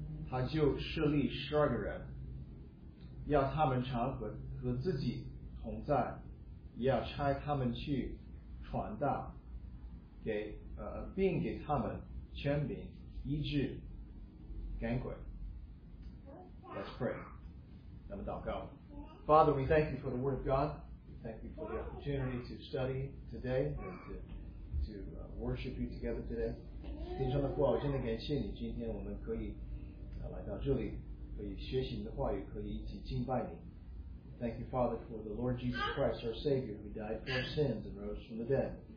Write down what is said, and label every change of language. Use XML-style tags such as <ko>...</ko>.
<zh>马可福音第三章第十三到十五节，耶稣上了山，所以这是意思，叫人来，他们便来到他那里，他就设立十二个人。要他们常和自己同在，也要差他们去传道，给并给他们权柄医治赶鬼。</zh> <en>Let's pray.</en> <zh>那么祷告。</zh> <en>Father, we thank you for the word of God. We thank you for the opportunity to study today and to worship you together today.</en> <zh>天上的父，我真的感谢你，今天我们可以来到这里。可以学习你的话语，可以一起敬拜你。</zh> <en>Thank you, Father, for the Lord Jesus Christ, our Savior, who died for our sins and rose from the dead.</en>